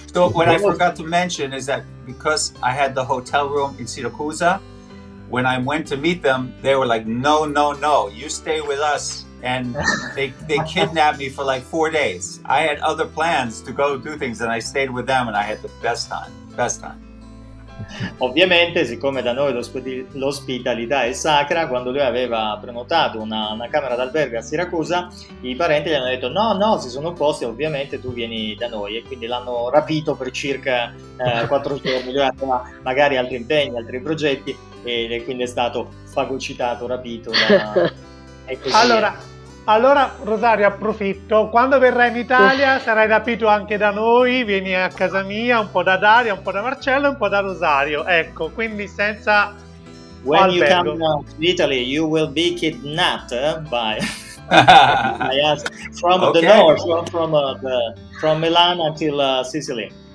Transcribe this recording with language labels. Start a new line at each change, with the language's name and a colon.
English: So what I forgot to mention is that because I had the hotel room in Siracusa, when I went to meet them, they were like, no, no, no, you stay with us. And they kidnapped me for like 4 days. I had other plans to go do things and I stayed with them and I had the best time, best time.
Italian: Ovviamente, siccome da noi l'ospitalità è sacra, quando lui aveva prenotato una camera d'albergo a Siracusa, i parenti gli hanno detto no, no, si sono opposti, ovviamente tu vieni da noi, e quindi l'hanno rapito per circa 4 giorni. Lui aveva magari altri impegni, altri progetti, e quindi è stato fagocitato, rapito da... E così allora è. Allora Rosario, approfitto, quando verrai in Italia sarai rapito anche da noi, vieni a casa mia, un po' da Daria, un po' da Marcello, un po' da Rosario, ecco, quindi senza
English: when albergo. You come to Italy you will be kidnapped by I ask, from okay. The north from Milan until Sicily.